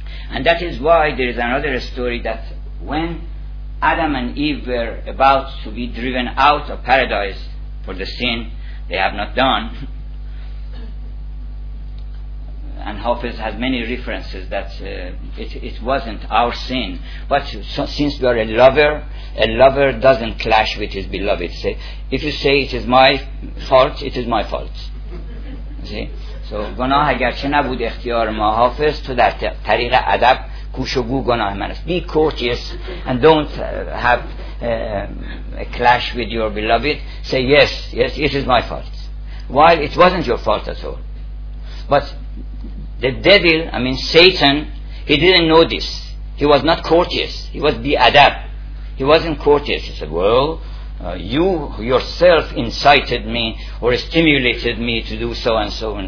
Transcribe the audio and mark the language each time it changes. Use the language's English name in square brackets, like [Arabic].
[English] And that is why there is another story that when Adam and Eve were about to be driven out of paradise for the sin they have not done, and Hafiz has many references that it wasn't our sin, but since we are a lover doesn't clash with his beloved. Say, if you say it is my fault, it is my fault. See, so [Persian] گناه اگرچه نبود اختیار ما, حافظ تو در طریق ادب کوش و گو گناه من است. [English] Be courteous and don't have a clash with your beloved. Say, yes, it is my fault, while it wasn't your fault at all. But the devil, Satan, he didn't know this. He was not courteous. He was biadab. He wasn't courteous. He said, "Well, you yourself incited me or stimulated me to do so and so."